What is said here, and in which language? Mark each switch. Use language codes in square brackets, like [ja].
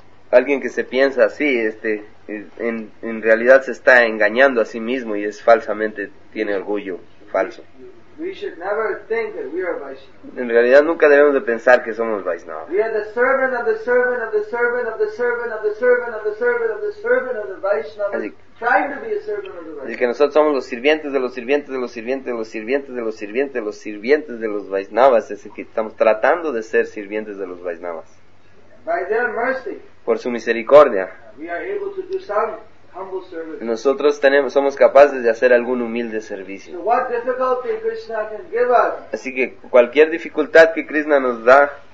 [es] Alguien que se piensa así, en realidad se está engañando a sí mismo y es falsamente, tiene orgullo falso. [en] We should never think that we are Vaishnava. [es] En realidad nunca debemos de pensar que somos Vaishnava. [en] We are the servant of the servant of the servant of the servant of the servant of the servant of the servant of the Vaishnava. Trying to be a servant of the Vaishnava. [es] Así que nosotros somos los sirvientes de los sirvientes de los sirvientes de los sirvientes de los sirvientes de los sirvientes de los Vaishnavas. Es decir, que estamos tratando de ser sirvientes de los Vaishnavas. [en] By their mercy. [es] Por su misericordia. [en] We are able to do some humble service. [es] Nosotros somos capaces de hacer algún humilde servicio. [en] So what difficulty Krishna can give us? [es] Así que cualquier dificultad que Krishna nos da,